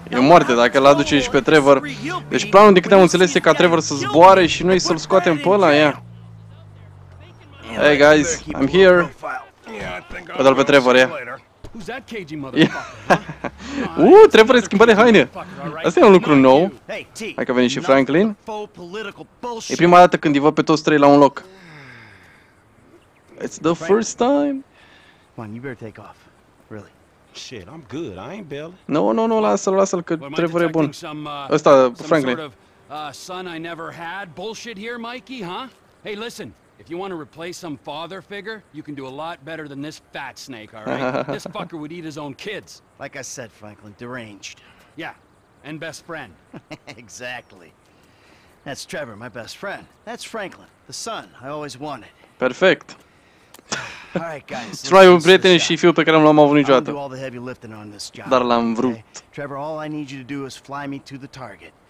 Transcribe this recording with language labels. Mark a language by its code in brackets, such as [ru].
[ro] E moarte dacă l aduci și pe Trevor. Deci planul, din câte am înțeles, e ca Trevor să zboare și noi să-l scoatem pe ăla, ia. [en] Hey guys, I'm here. Yeah, I think I'll go pe Trevor, ia. Yeah. [ro] Trebuie să schimbă de haine. Asta e un lucru nou. Hai că a venit și Franklin. E prima dată când îi văd pe toți trei la un loc. [en] It's the first time. Come on, you better take off. Really. Shit, I'm good. I ain't Bill. [ro] No, lasă-l că Trevor e bun. Ăsta Franklin. [en] Son I never had. Bullshit here, Mikey, huh? Hey, listen. If you want to replace some father figure, you can do a lot better than this fat snake, all right? This fucker would eat his own kids. Like I said, Franklin, deranged. Yeah. And best friend. Exactly. That's Trevor, my best friend. That's Franklin, the son I always wanted. Perfect. All right, guys. [ro] Trai un prieten și fiul pe care nu l-am avut niciodată. Dar l-am vrut. Okay? [en] Trevor, all I need you to do is fly me to the target.